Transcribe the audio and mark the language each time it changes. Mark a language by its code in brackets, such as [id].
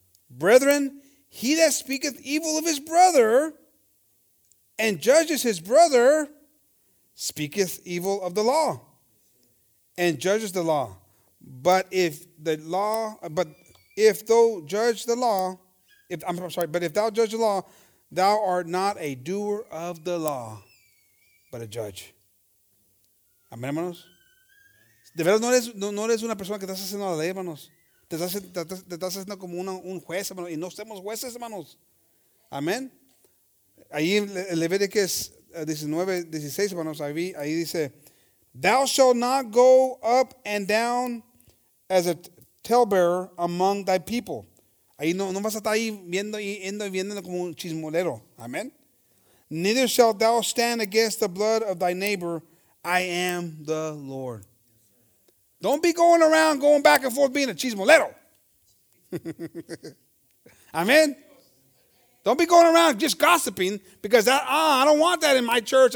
[en] Brethren, he that speaketh evil of his brother and judges his brother speaketh evil of the law and judges the law. But if thou judge the law, thou art not a doer of the law, but a judge. [es] Amén, hermanos. De verdad, no eres una persona que estás haciendo la ley, hermanos. Te estás haciendo como un juez, hermanos. Y no somos jueces, hermanos. Amén. Ahí en Levíticos 19:16, hermanos, ahí dice, [en] thou shalt not go up and down as a talebearer among thy people. [es] Ahí no vas a estar ahí viendo y viendo como un chismolero. Amén. [en] Neither shalt thou stand against the blood of thy neighbor. I am the Lord. Don't be going around, going back and forth, being a chismolero. Amen. Don't be going around just gossiping because I don't want that in my church.